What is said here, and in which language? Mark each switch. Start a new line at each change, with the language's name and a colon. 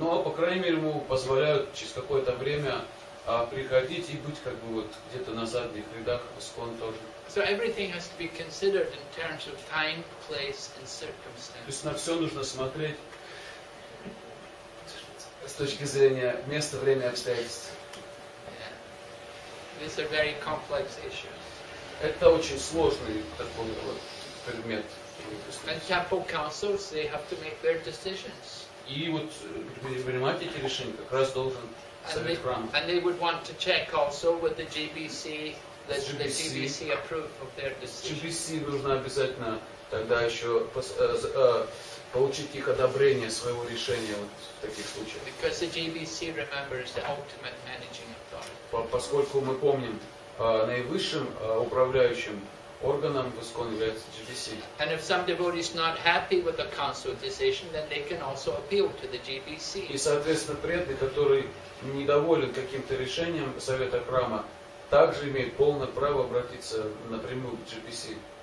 Russian: Но, по крайней мере, ему позволяют через какое-то время приходить и быть как бы вот где-то на задних рядах ISKCON тоже.
English: So everything has to be considered in terms of time, place, and circumstance.
Russian: То есть на все нужно смотреть с точки зрения места, времени, обстоятельств.
English: Yeah. These are very complex issues.
Russian: Это очень сложный такой вот предмет.
English: And temple councils, they have to make their decisions.
Russian: И вот принимать эти решения как раз должен совет храма.
English: And they would want to check also with the GBC GBC approved of their decision.
Russian: GBC нужно обязательно тогда еще получить их одобрение своего решения вот в таких случаях.
English: Because the GBC remembers the ultimate managing authority.
Russian: Поскольку мы помним наивысшим управляющим органом в ISKCON является GBC.
English: And if some devotee is not happy with the council decision, then they can also appeal to the GBC.
Russian: И соответственно преданный, который недоволен каким-то решением совета храма, также имеет полное право обратиться напрямую к GBC.